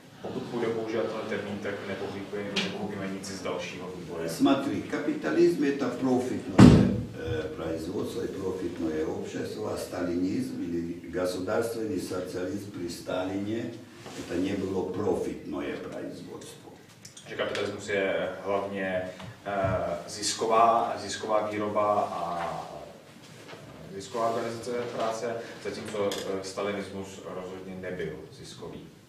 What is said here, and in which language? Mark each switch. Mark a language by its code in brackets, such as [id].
[cs] Pokud půjde používat tento termín, tak nepochopíme nic z dalšího vývoje. [ru] Смотри, капитализм это профитное производство и профитное общество, а сталинизм или государственный социализм при Сталине это не было профитное производство. [cs] Že kapitalismus je hlavně zisková výroba a zisková organizace práce, zatímco stalinismus rozhodně nebyl ziskový.